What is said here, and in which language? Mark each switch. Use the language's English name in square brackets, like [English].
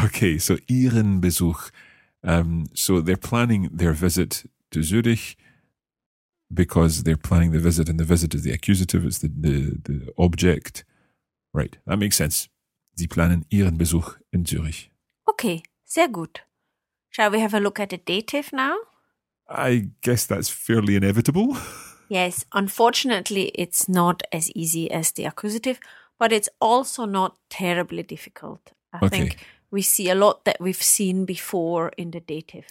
[English] Okay, so ihren Besuch. So they're planning their visit to Zurich because they're planning the visit, and the visit is the accusative, it's the object. Right, that makes sense. [German] Sie planen ihren Besuch in Zürich. Okay, sehr gut. [English] Shall we have a look at the dative now? I guess that's fairly inevitable. Yes, unfortunately it's not as easy as the accusative, but it's also not terribly difficult. I think we see a lot that we've seen before in the dative.